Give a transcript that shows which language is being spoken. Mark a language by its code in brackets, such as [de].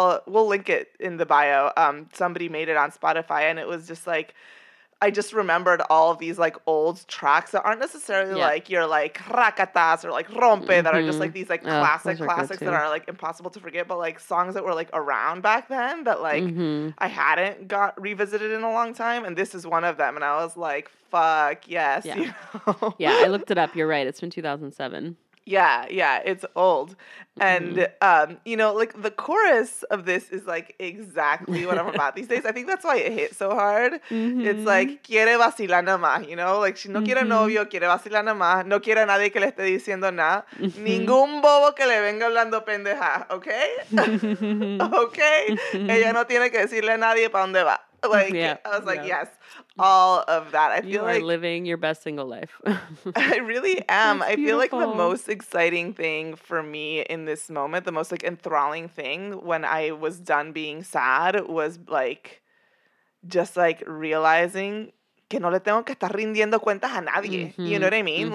[en] We'll link it in the bio. Somebody made it on Spotify, and it was just like I just remembered all of these like old tracks that aren't necessarily like your like racatas or like rompe, mm-hmm. that are just like these like classics that are like impossible to forget, but like songs that were like around back then that like I hadn't got revisited in a long time, and this is one of them, and I was like, fuck yes. Yeah. I looked it up. You're right. It's from 2007. Yeah. It's old. Mm-hmm. And, you know, like the chorus of this is like exactly what I'm about these days. I think that's why it hit so hard. Mm-hmm. It's like, [es] quiere vacilar nada más, [en] you know, like, [es] no quiere novio, quiere vacilar nada más. No quiere a nadie que le esté diciendo nada. Mm-hmm. Ningún bobo que le venga hablando pendeja. Okay. Okay. Mm-hmm. Ella no tiene que decirle a nadie para dónde va. [en] Yes, all of that. You are living your best single life. I really am. I feel like the most exciting thing for me in this moment, the most like enthralling thing when I was done being sad was like just like realizing [es] que no le tengo que estar rindiendo cuentas a nadie. [en] Mm-hmm. You know what I mean? Mm-hmm.